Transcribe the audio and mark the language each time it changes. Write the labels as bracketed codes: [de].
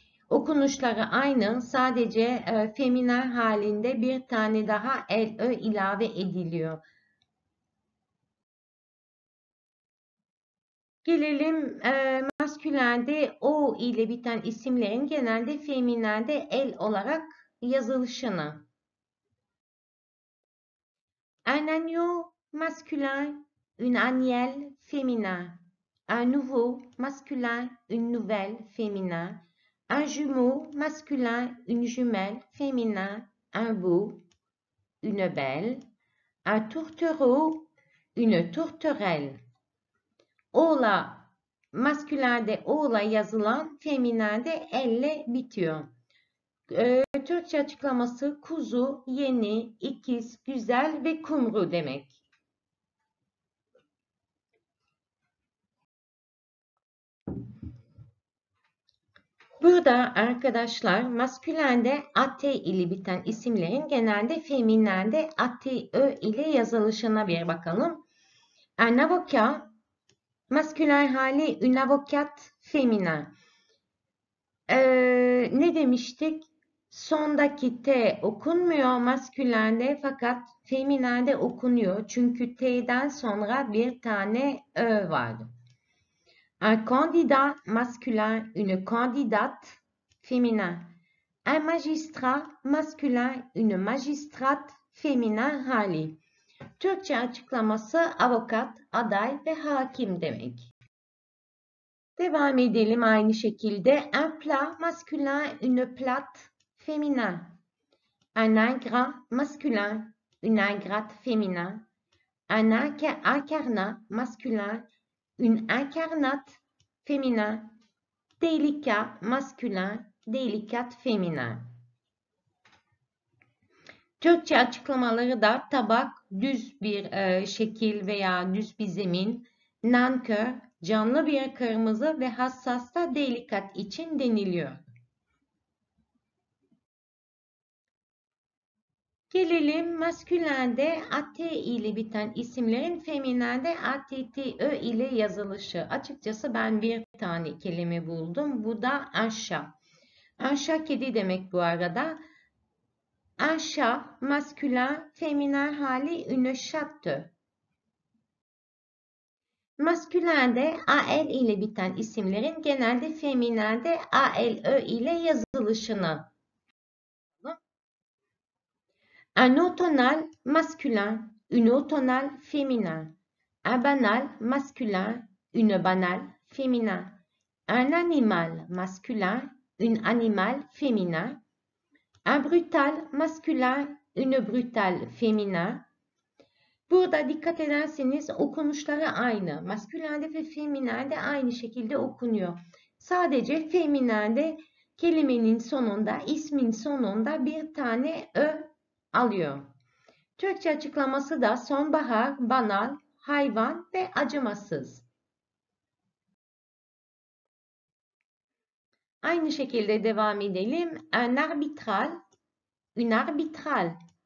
[tr] Okunuşları aynı, sadece feminen halinde bir tane daha el ö ilave ediliyor. Gelelim maskülende o ile biten isimlerin genelde feminende el olarak yazılışına. [fr] Un agneau masculin, un agnel féminin. Un nouveau masculin, une nouvelle féminin. Un jumeau masculin, une jumelle féminin. Un veau, une belle. Un tourtereau, une tourterelle. [tr] Oğla, maskülende oğla yazılan, feminende elle bitiyor. Türkçe açıklaması kuzu, yeni, ikiz, güzel ve kumru demek. Burada arkadaşlar maskülende at ile biten isimlerin genelde feminende at ö ile yazılışına bir bakalım. [fr] Un avocat, [tr] maskülen hali [fr] un avocat, feminen. [tr] Ne demiştik? Sondaki T okunmuyor maskülende fakat feminende okunuyor. Çünkü T'den sonra bir tane Ö var. [fr] Un candidat masculin, une candidate, féminin. Un magistrat masculin, une magistrate, féminin hali. [tr] Türkçe açıklaması avukat, aday ve hakim demek. Devam edelim aynı şekilde. [fr] Un plat masculin, une plate, féminin. Un ingrat masculin, une ingrate, féminin. Un incarnat masculin, une incarnate, féminin. Délicat masculin, délicate, féminin. [tr] Türkçe açıklamaları da tabak, düz bir şekil veya düz bir zemin, nankör, canlı bir kırmızı ve hassas da delikat için deniliyor. Gelelim maskülende at ile biten isimlerin feminende atto ile yazılışı. Açıkçası ben bir tane kelime buldum. Bu da anşa. Anşa kedi demek bu arada. [fr] Un chat masculin, féminin hali une chatte. [tr] Masculinde al ile biten isimlerin genelde femininde alö ile yazılışını. [fr] Un automnal masculin, une automnale féminin. Un banal masculin, une banale féminin. Un animal masculin, une animale féminin. Un brutal masculin, une brutale féminin. [tr] Burada dikkat ederseniz okunuşları aynı. Maskülende ve feminende aynı şekilde okunuyor. Sadece feminende kelimenin sonunda, ismin sonunda bir tane ö alıyor. Türkçe açıklaması da sonbahar, banal, hayvan ve acımasız. Aynı şekilde devam edelim. [fr] Un arbitral, une arbitrale.